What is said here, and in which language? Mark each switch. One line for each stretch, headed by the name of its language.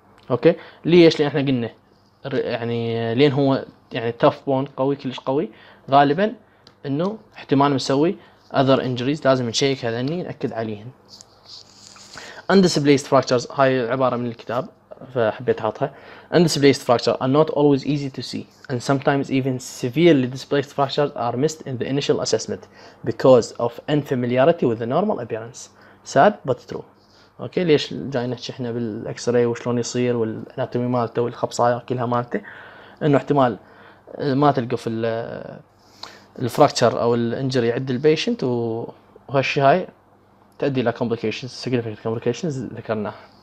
Arabic: اوكي، ليش؟ لان احنا قلنا يعني لين هو يعني تاف بون، قوي كلش قوي، غالبا انه احتمال مسوي اذر انجريز، لازم نشيك هذني ناكد عليهن. Undisplaced fractures، هاي عبارة من الكتاب فحبيت أحطها.
English: Undisplaced fractures are not always easy to see, and sometimes even severely displaced fractures are missed in the initial assessment because of unfamiliarity with the normal appearance. Sad but true.
Arabic: أوكي، ليش جاينا نحكي إحنا بالإكس راي وشلون يصير والأناتومي مالته والخبصايا كلها مالته؟ إنه احتمال ما تلقوا في الفراكتشر أو الإنجري عند البيشنت، وهالشي هاي تؤدي الى complications، significant complications ذكرناها.